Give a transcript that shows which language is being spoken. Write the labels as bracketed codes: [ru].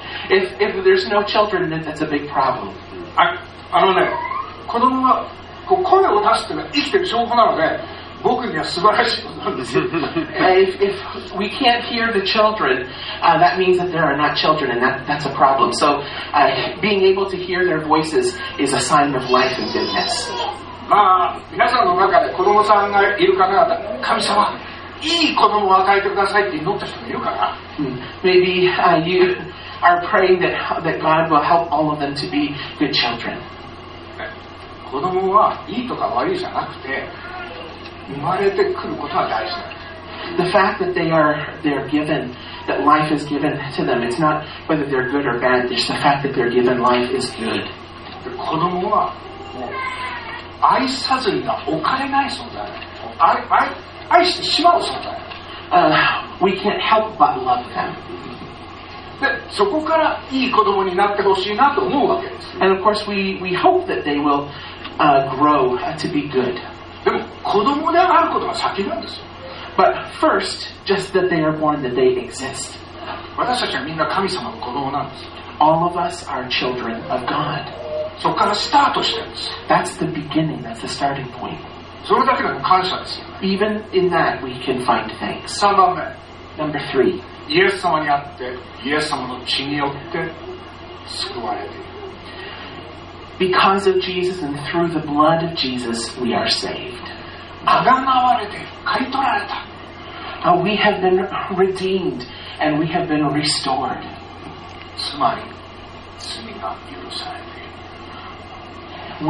[en] if there's no children, then that's a big problem. [ja] あのね、子供がこう声を出すというのは生きている証拠なので、僕には素晴らしいことなんですよ。 [en] if we can't hear the children, that means that there are not children, and that's a problem. So, being able to hear their voices is a sign of life and goodness. [ja] まあ、皆さんの中で子供さんがいる方々、神様。いい子供を与えてくださいって祈った人もいるかな。 [en] Maybe you are praying that God will help all of them to be good children. [ja] 子供はいいとか悪いじゃなくて、生まれてくることが大事だ。 [en] The fact that they're given, that life is given to them, it's not whether they're good or bad. It's the fact that they're given life is good. [ja] 子供は愛さずには置かれない存在。愛してしまう存在。 [en] We can't help but love them. [ja] で、そこからいい子供になってほしいなと思うわけです。 [en] And of course we hope that they will grow to be good. [ja] でも子供であることが先なんですよ。 [en] But first, just that they are born, that they exist. [ja] 私たちはみんな神様の子供なんです。 [en] All of us are children of God. [ja] そこからスタートしてるんです。 [en] That's the beginning, that's the starting point. [ja] それだけでも感謝ですよ。 [en] Even in that we can find thanks. [ja] 3番目。 [en] Number 3. [ja] イエス様にあって、イエス様の血によって救われている。 [en] Because of Jesus and through the blood of Jesus we are saved. [ja] あがなわれて、買い取られた。 [en] We have been redeemed and we have been restored. [ja] つまり、罪が許されている。